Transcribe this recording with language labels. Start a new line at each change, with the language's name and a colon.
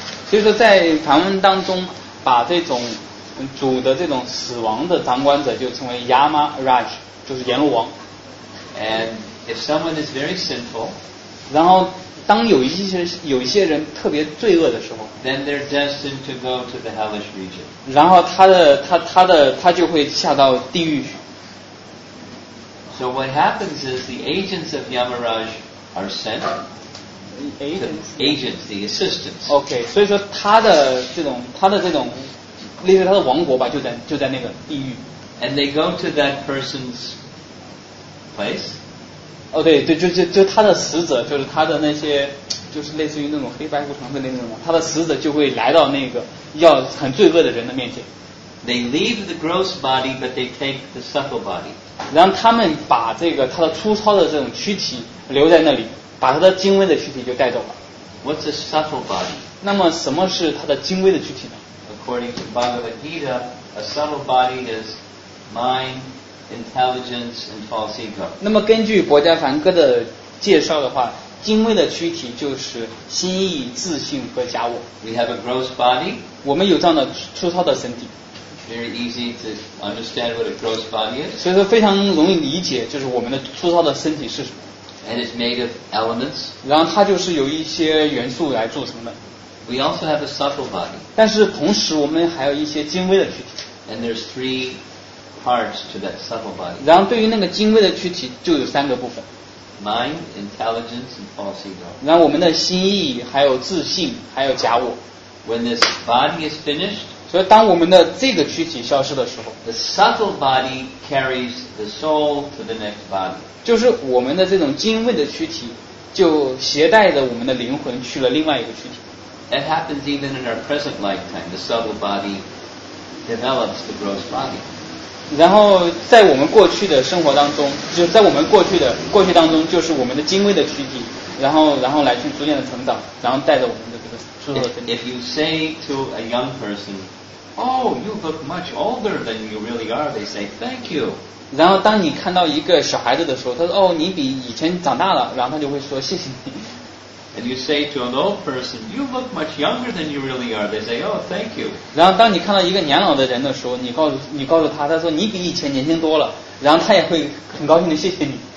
Chinese: 所以说在梵文当中，把这种主的这种死亡的掌管者就称为 Yama Raj， 就是阎罗王。
English: And if someone is very sinful,
Chinese: 然后当有一些人特别罪恶的时候
English: then they're destined to go to the hellish region.
Chinese: 然后他就会下到地狱去。
English: So what happens is the agents of Yamaraj are sent. The agents, the assistants.
Chinese: Okay, 所以说他的这种，例如他的王国吧，就在那个地狱。
English: And they go to that person's place.
Chinese: 哦、oh, ，对，就他的使者，就是他的那些，就是类似于那种黑白无常之类的那种，他的使者就会来到那个要很罪恶的人的面前。
English: They leave the gross body, but they take the subtle body.
Chinese: 然后他们把这个他的粗糙的这种躯体留在那里，把他的精微的躯体就带走了。
English: What's a subtle body?
Chinese: 那么什么是他的精微的躯体呢
English: ？According to Bhagavad Gita, a subtle body is mind, intelligence, and false ego.
Chinese: 那么根据博伽梵歌的介绍的话，精微的躯体就是心意、自信和假我。
English: We have a gross body.
Chinese: 我们有这样的粗糙的身体。
English: Very easy to understand what a gross body is.
Chinese: 所以说非常容易理解，就是我们的粗糙的身体是什么。
English: And it's made of elements.
Chinese: 然后它就是由一些元素来组成的。
English: We also have a subtle body.
Chinese: 但是同时我们还有一些精微的躯体。
English: And there's three parts to that subtle body.
Chinese: 然后对于那个精微的躯体就有三个部分。
English: Mind, intelligence, and false ego.
Chinese: 然后我们的心意，还有自信，还有假我。
English: When this body is finished.
Chinese: 所以当我们的这个躯体消失的时候。
English: The subtle body carries the soul to the next body.
Chinese: 就是我们的这种精微的躯体就携带着我们的灵魂去了另外一个躯体。
English: It happens even in our present lifetime. The subtle body develops the gross body.
Chinese: 然后在我们过去的生活当中，就在我们过去当中，就是我们的精微的躯体，然后来去逐渐的成长，然后带着我们的这个粗糙的身体。
English: If you say to a young person, "Oh, you look much older than you really are," they say, "Thank you."
Chinese: 然后当你看到一个小孩子的时候，他说，哦，你比以前长大了，然后他就会说，谢谢你。
English: And you say to an old person, "You look much younger than you really are." They say, "Oh, thank you."
Chinese: 然后当你看到一个年老的人的时候，你告诉他，他说你比以前年轻多了，然后他也会很高兴的谢谢你。